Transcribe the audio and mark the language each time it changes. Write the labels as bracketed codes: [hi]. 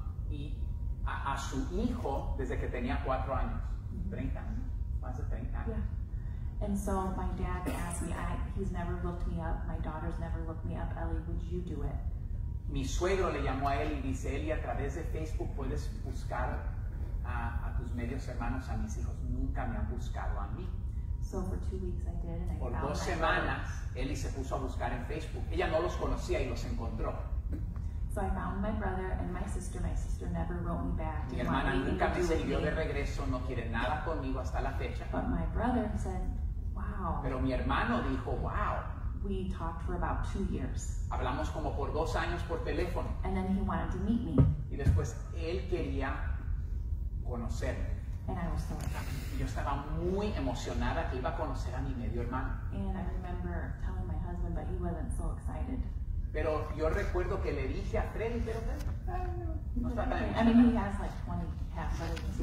[es] y a su hijo desde que tenía 4 años, 30 años, más de 30 años. Yeah. [en] And so my dad asked me, he's never looked me up, my daughter's never looked me up, Ellie, would you do it? [es] Mi suegro le llamó a él y dice, Ellie, a través de Facebook puedes buscar a tus medios hermanos, a mis hijos, nunca me han buscado a mí. [en] So for 2 weeks I did, and I found my brothers. [es] Ellie se puso a buscar en Facebook. Ella no los conocía y los encontró. [en] So I found my brother and my sister never wrote me back. [es] Mi hermana nunca me escribió de regreso, no quiere nada conmigo hasta la fecha. [en] But my brother said, wow. [es] Pero mi hermano dijo, wow. [en] We talked for about 2 years. [es] Hablamos como por 2 años por teléfono. [en] And then he wanted to meet me. [es] Y después él quería conocerme. [en] And I was so excited. [es] Yo estaba muy emocionada que iba a conocer a mi medio hermano. [en] And I remember telling my husband, but he wasn't so excited. [es] Pero yo recuerdo que le dije a Freddy, pero no está tan emocionado. [en] I mean, he has like 20 half-brothers